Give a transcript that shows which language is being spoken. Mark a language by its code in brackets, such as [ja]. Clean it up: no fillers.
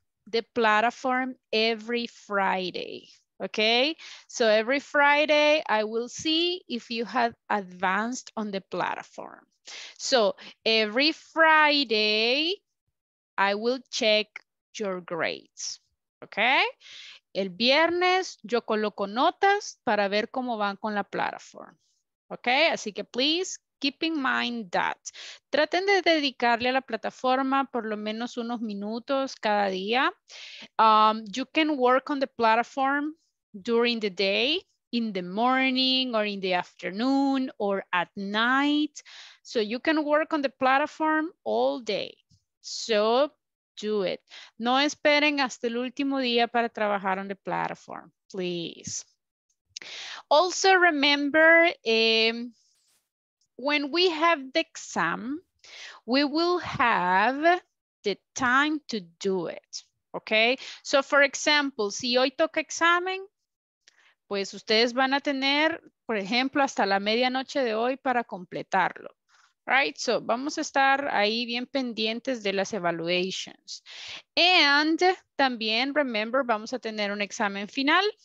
[en] the platform every Friday. Okay, so every Friday I will see if you have advanced on the platform. So every Friday I will check your grades. [es] Okay, el viernes yo coloco notas para ver cómo van con la plataforma. Okay, así que [en] please keep in mind that. [es] Traten de dedicarle a la plataforma por lo menos unos minutos cada día. [en] You can work on the platform during the day, in the morning or in the afternoon or at night. So you can work on the platform all day. So do it. [es] No esperen hasta el último día para trabajar [en] on the platform, please. Also remember, when we have the exam, we will have the time to do it, okay? [es] So for example, si hoy toca examen, pues ustedes van a tener, por ejemplo, hasta la medianoche de hoy para completarlo. [en] Right, so [es] vamos a estar ahí bien pendientes de las evaluations. And también, remember, vamos a tener un examen final.